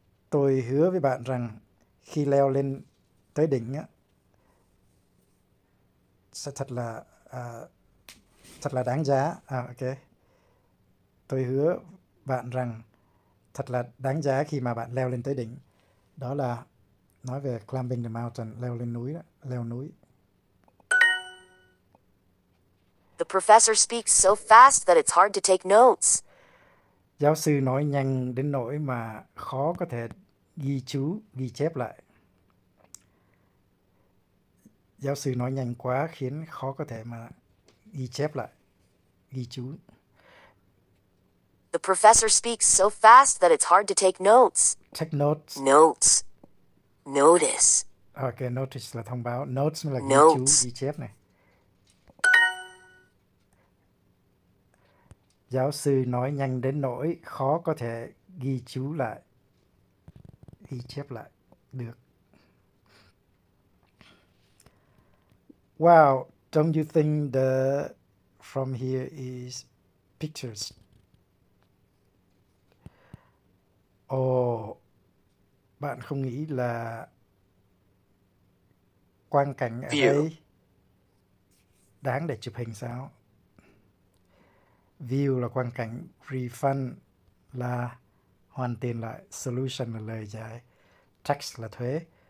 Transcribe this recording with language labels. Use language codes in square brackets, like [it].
[vi] Tôi hứa với bạn rằng khi leo lên tới đỉnh á, sẽ thật là đáng giá. À, ok. Tôi hứa bạn rằng thật là đáng giá khi mà bạn leo lên tới đỉnh. Đó là nói về [en] climbing the mountain, [vi] leo lên núi đó, leo núi. [en] The professor speaks so fast that it's hard to take notes. [vi] Giáo sư nói nhanh đến nỗi mà khó có thể ghi chú, ghi chép lại. Giáo sư nói nhanh quá khiến khó có thể mà ghi chép lại, ghi chú. [en] The professor speaks so fast that it's hard to take notes. Take notes. Notes. Notice. [vi] Okay, notice là thông báo. Notes là ghi chú, ghi chép này. Giáo sư nói nhanh đến nỗi khó có thể ghi chú lại, ghi chép lại được. [en] Wow, don't you think the from here is pictures? [vi] Oh, bạn không nghĩ là quang cảnh ở đây đáng để chụp hình sao? View là quang cảnh, refund là hoàn tiền lại, solution là lời giải, tax là thuế.